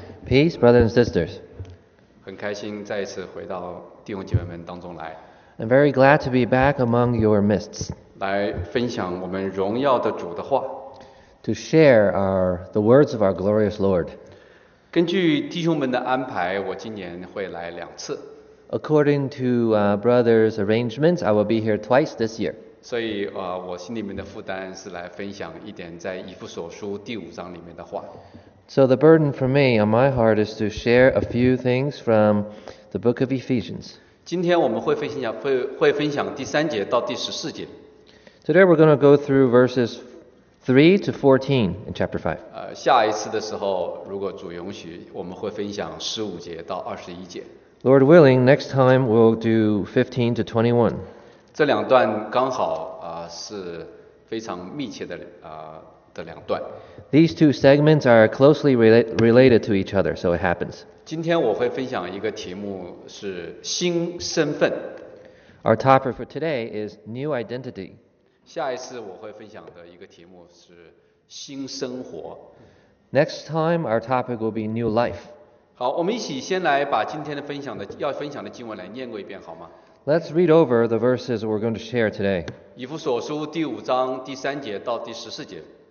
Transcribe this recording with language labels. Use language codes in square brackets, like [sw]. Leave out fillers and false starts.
[en] Peace, brothers and sisters. [zh] 很开心再一次回到弟兄姐妹们当中来 [en] I'm very glad to be back among your midst. [zh] 来分享我们荣耀的主的话 [en] To share the words of our glorious Lord. [zh] 根据弟兄们的安排我今年会来两次 [en] According to brothers' arrangements, I will be here twice this year. [zh] 所以我心里面的负担是来分享一点在以弗所书第五章里面的话 [en] So the burden for me on my heart is to share a few things from the book of Ephesians. [zh] 今天我们会分享第三节到第十四节。 [en] Today we're going to go through verses 3-14 in chapter 5. [zh] 下一次的时候，如果主允许，我们会分享十五节到二十一节。 [en] Lord willing, next time we'll do 15-21. [zh] 这两段刚好是非常密切的的两段。 [en] These two segments are closely related to each other, so it happens. [zh] 今天我会分享一个题目是新身份。 [en] Our topic for today is new identity. [zh] 下一次我会分享的一个题目是新生活。 [en] Next time, our topic will be new life. [zh] 好，我们一起先来把今天的分享的要分享的经文来念过一遍，好吗？ [en] Let's read over the verses we're going to share today. [zh] 以弗所书第五章第三节到第十四节。